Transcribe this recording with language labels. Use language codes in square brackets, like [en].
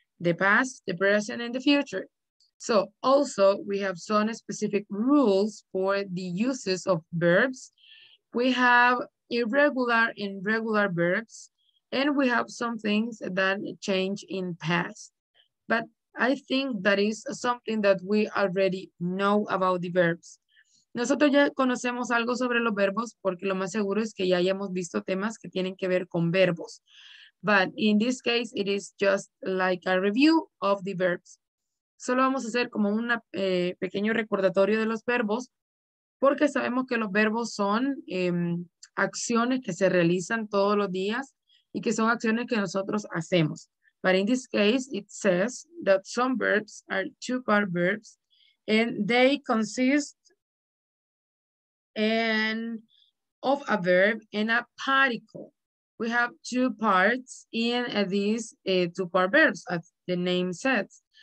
[en] the past, the present, and the future. So also we have some specific rules for the uses of verbs. We have irregular and regular verbs, and we have some things that change in past. But I think that is something that we already know about the verbs. [es] Nosotros ya conocemos algo sobre los verbos porque lo más seguro es que ya hayamos visto temas que tienen que ver con verbos. [en] But in this case, it is just like a review of the verbs. [es] Solo vamos a hacer como un pequeño recordatorio de los verbos porque sabemos que los verbos son acciones que se realizan todos los días y que son acciones que nosotros hacemos. [en] But in this case, it says that some verbs are two-part verbs and they consist and of a verb and a particle. We have two parts in these two-part verbs, as the name says.